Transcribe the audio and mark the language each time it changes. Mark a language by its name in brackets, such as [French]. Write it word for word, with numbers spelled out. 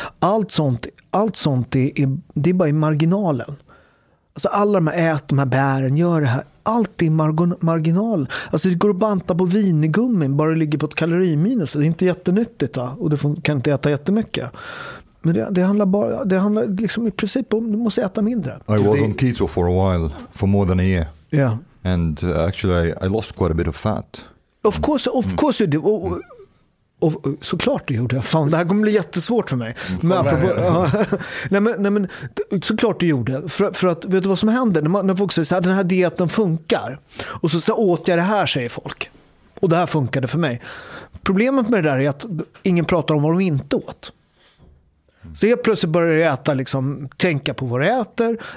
[Swedish] Allt sånt, allt sånt är, är, det är bara i marginalen. Alltså alla de här, ät de här bären, gör det här. Allt är margon- marginal. Alltså det går att banta på vinigummin, bara det ligger på ett kaloriminus. Det är inte jättenyttigt va? Och du får, kan inte äta jättemycket. Men det, det handlar bara, det handlar liksom i princip om du måste äta mindre. [English] I was on keto for a while, for more than a year. Yeah. And uh, actually I, I lost quite a bit of fat. Of course, of course you do. [Swedish] Och såklart det gjorde jag. Fan, det här kommer bli jättesvårt för mig. Men apropå, ja, nej, men, nej men såklart det gjorde. För, för att vet du vad som händer? När, man, när folk säger så här, den här dieten funkar. Och så, så åt jag det här, säger folk. Och det här funkade för mig. Problemet med det där är att ingen pratar om vad de inte åt. Så jag plötsligt börjar jag äta, liksom, tänka på vad du äter.